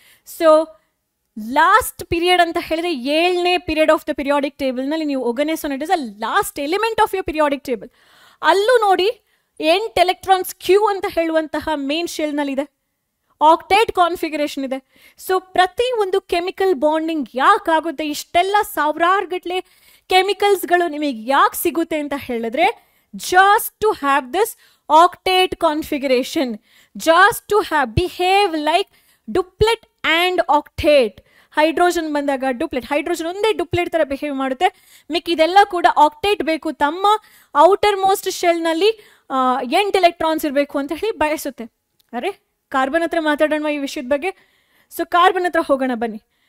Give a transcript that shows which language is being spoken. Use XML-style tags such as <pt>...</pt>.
<en>so last period</en> <kn>ಅಂತ ಹೇಳಿದ್ರೆ</kn> <en>7ನೇ period of the periodic ಟೇಬಲ್ನಲ್ಲಿ</en> <kn>ನೀವು</kn> <en>Oganesson, it is a last element of your periodic table.</en> <kn>ಅಲ್ಲೂ ನೋಡಿ 8 ಎಲೆಕ್ಟ್ರಾನ್ಸ್ ಕ್ಯೂ ಅಂತ ಹೇಳುವಂತಹ ಮೇನ್ ಶೆಲ್ನಲ್ಲಿದೆ, ಆಕ್ಟೇಟ್ ಕಾನ್ಫಿಗರೇಷನ್ ಇದೆ. ಸೊ ಪ್ರತಿ ಒಂದು ಕೆಮಿಕಲ್ ಬಾಂಡಿಂಗ್ ಯಾಕೆ ಆಗುತ್ತೆ, ಇಷ್ಟೆಲ್ಲ ಸಾವಿರಾರುಗಟ್ಟಲೆ ಕೆಮಿಕಲ್ಸ್ಗಳು ನಿಮಗೆ ಯಾಕೆ ಸಿಗುತ್ತೆ ಅಂತ ಹೇಳಿದ್ರೆ,</kn> <en>just to have this octet configuration, just to have behave like duplet and octet.</en> <kn>Hydrogen ಬಂದಾಗ ಡುಪ್ಲೆಟ್, ಹೈಡ್ರೋಜನ್ ಒಂದೇ ಡುಪ್ಲೆಟ್ ಥರ ಬಿಹೇವ್ ಮಾಡುತ್ತೆ, ಮಿಕ್ಕ ಇದೆಲ್ಲ ಕೂಡ ಆಕ್ಟೇಟ್ ಬೇಕು, ತಮ್ಮ ಔಟರ್ ಮೋಸ್ಟ್ ಶೆಲ್ನಲ್ಲಿ 8 ಎಲೆಕ್ಟ್ರಾನ್ಸ್ ಇರಬೇಕು ಅಂತ ಹೇಳಿ ಬಯಸುತ್ತೆ. ಅರೆ ಕಾರ್ಬನ್ ಹತ್ರ ಮಾತಾಡೋಣ ಈ ವಿಷಯದ ಬಗ್ಗೆ. ಸೊ ಕಾರ್ಬನ್ ಹತ್ರ ಹೋಗೋಣ ಬನ್ನಿ.</kn>